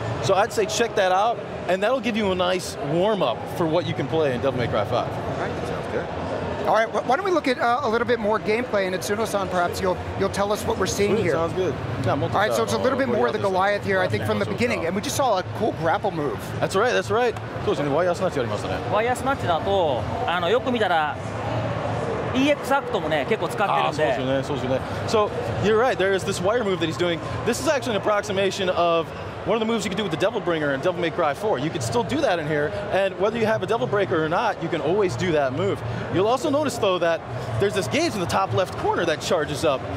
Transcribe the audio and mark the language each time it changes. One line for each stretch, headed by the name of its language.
English: So I'd say check that out, and that'll give you a nice warm-up for what you can play in Devil May Cry 5. All right, why don't we look at a little bit more gameplay, and Itsuno-san, perhaps you'll tell us what we're seeing here. Sounds good. All right, so it's a little bit more of the Goliath here, I think, from the beginning, and we just saw a cool grapple move. That's right.
Japanese: そうですね、ワイヤースマッチやりましたね。ワイヤースマッチだと、よく見たら、EX アクトもね、結構使ってるんで。そうですね。
English: So, you're right, there is this wire move that he's doing. This is actually an approximation of one of the moves you can do with the Devil Bringer in Devil May Cry 4. You can still do that in here, and whether you have a Devil Breaker or not, you can always do that move. You'll also notice, though, that there's this gauge in the top left corner that charges up.